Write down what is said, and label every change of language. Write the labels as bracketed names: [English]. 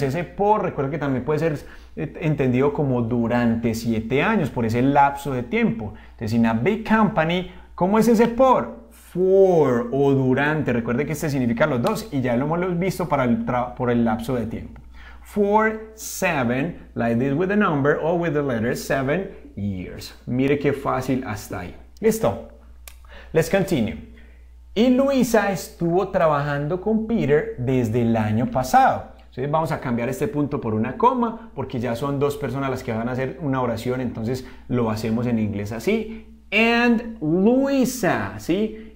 [Spanish] Ese por, recuerda que también puede ser entendido como durante 7 años, por ese lapso de tiempo. Entonces, [English] in a big company, [Spanish] ¿cómo es ese por? For o durante. Recuerde que este significa los dos y ya lo hemos visto para el por el lapso de tiempo. [English] For 7, like this with the number or with the letter, 7 years. [Spanish] Mire qué fácil hasta ahí. Listo. [English] Let's continue. [Spanish] Y Luisa estuvo trabajando con Peter desde el año pasado. Entonces vamos a cambiar este punto por una coma porque ya son dos personas las que van a hacer una oración. Entonces lo hacemos en inglés así. And Luisa, ¿sí?